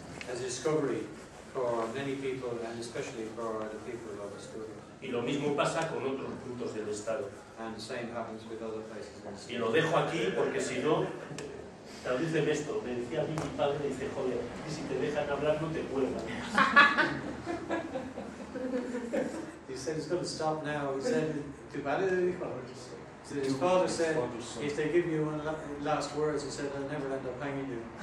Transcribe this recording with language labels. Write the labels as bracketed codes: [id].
[en] As a discovery for many people and especially for the people of Asturias. [es] Y lo mismo pasa con otros puntos del estado. [en] And the same happens with other places in Asturias. [es] Y lo dejo aquí porque si no, tradúceme de esto. Me decía a mí mi padre, dice, joder, y si te dejan hablar no te cuelgan. [en] He said he's going to stop now. He said, "Too bad it didn't come." So his father said, "If they give you one last words," he said, "I'll never end up hanging you."